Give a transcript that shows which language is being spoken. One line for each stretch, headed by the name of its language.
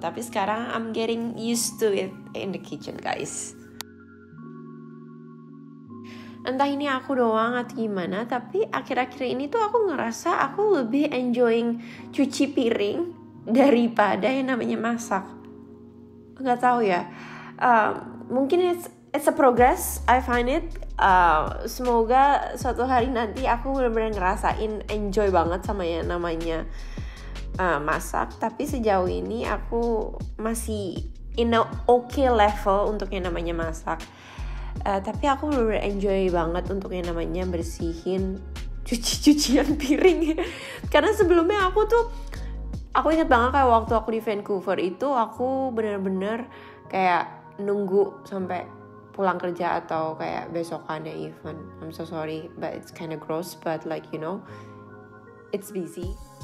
Indonesian: Tapi sekarang
English: I'm getting used to it in the kitchen guys.
Indonesian: Entah ini aku doang atau gimana, tapi akhir-akhir ini tuh aku ngerasa aku lebih enjoying cuci piring daripada yang namanya masak. Nggak tahu ya, mungkin
English: it's a progress, I find it.
Indonesian: Semoga suatu hari nanti aku benar-benar ngerasain enjoy banget sama yang namanya masak. Tapi sejauh ini aku masih
English: in a okay level
Indonesian: untuk yang namanya masak. Tapi aku benar-benar enjoy banget untuk yang namanya bersihin cuci-cucian piring. Karena sebelumnya aku ingat banget kayak waktu aku di Vancouver itu, aku benar-benar kayak nunggu sampai pulang kerja atau kayak besokannya even.
English: I'm so sorry, but it's kind of gross, but like, you know, it's busy.